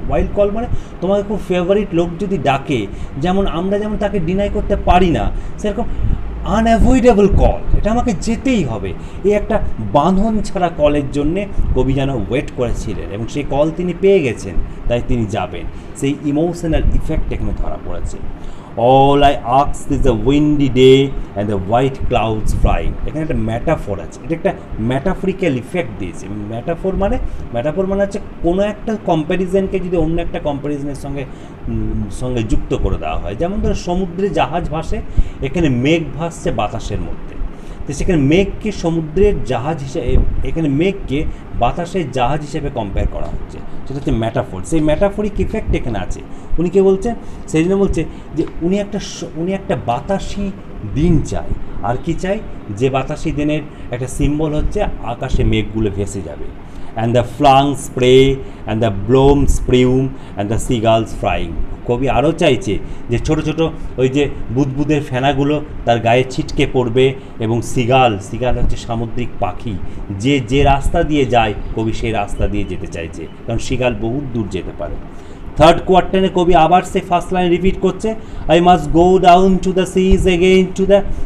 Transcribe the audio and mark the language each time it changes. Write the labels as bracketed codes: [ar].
[bn] Wild call মানে তোমাকে খুব ফেভারিট লোক যদি ডাকে, যেমন আমরা যেমন তাকে ডিনাই করতে পারি না, সেরকম আনঅ্যাভয়েডেবল কল, এটা আমাকে যেতেই হবে। এই একটা বাঁধন ছাড়া কলের জন্যে কবি যেন ওয়েট করেছিলেন, এবং সেই কল তিনি পেয়ে গেছেন, তাই তিনি যাবেন। সেই ইমোশনাল ইফেক্ট এখানে ধরা পড়েছে। [en] All I ask is a windy day and the white clouds flying. [bn] এখানে একটা ম্যাটাফোর আছে, এটা একটা ম্যাটাফরিক্যাল ইফেক্ট দিয়েছে। ম্যাটাফোর মানে হচ্ছে কোনো একটা কম্প্যারিজনকে যদি অন্য একটা কম্প্যারিজনের সঙ্গে যুক্ত করে দেওয়া হয়। যেমন ধরো সমুদ্রে জাহাজ ভাসে, এখানে মেঘ ভাসছে বাতাসের মধ্যে। তো সেখানে মেঘকে সমুদ্রের জাহাজ হিসেবে, এখানে মেঘকে বাতাসের জাহাজ হিসেবে কম্পেয়ার করা হচ্ছে, সেটা হচ্ছে ম্যাটাফোর। সেই ম্যাটাফোরিক ইফেক্ট এখানে আছে। উনি কে বলছে, সেই জন্য বলছে যে উনি একটা বাতাসি দিন চাই। আর কী চাই, যে বাতাসি দিনের একটা সিম্বল হচ্ছে আকাশে মেঘগুলো ভেসে যাবে। [en] and the flung spray and the blown spume and the seagulls frying. [bn] কবি আরও চাইছে যে ছোট ছোট ওই যে বুদবুদের ফেনাগুলো তার গায়ে ছিটকে পড়বে এবং সিগাল সিগাল হচ্ছে সামুদ্রিক পাখি যে যে রাস্তা দিয়ে যায় কবি সেই রাস্তা দিয়ে যেতে চাইছে কারণ সিগাল বহুত দূর যেতে পারে থার্ড কোয়ার্টারে কবি আবার সে ফার্স্ট লাইন রিপিট করছে [en] I must go down to the [bn] seize again to the